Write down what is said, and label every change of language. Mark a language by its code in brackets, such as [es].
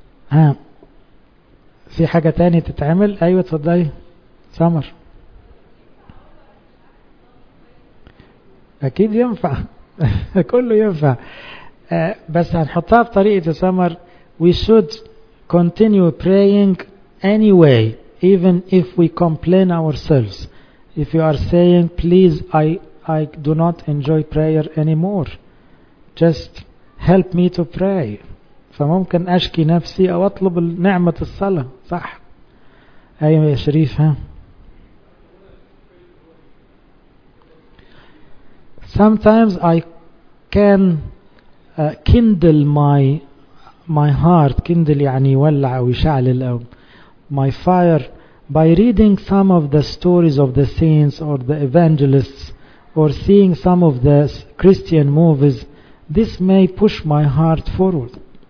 [ar] ها في حاجة تانية تتعمل؟ ايوة تفضلي سمر. اكيد ينفع. كله ينفع، بس هنحطها بطريقة سمر. [en] We should continue praying anyway even if we complain ourselves. If you are saying, please, I do not enjoy prayer anymore, just help me to pray. [ar] فممكن أشكي نفسي أو أطلب نعمة الصلاة، صح؟ أي يا شريف. [en] ها؟ Sometimes I can kindle my heart. [ar] Kindle يعني يولع أو يشعل أو [en] my fire. By reading some of the stories of the saints or the evangelists or seeing some of the Christian movies, this may push my heart forward.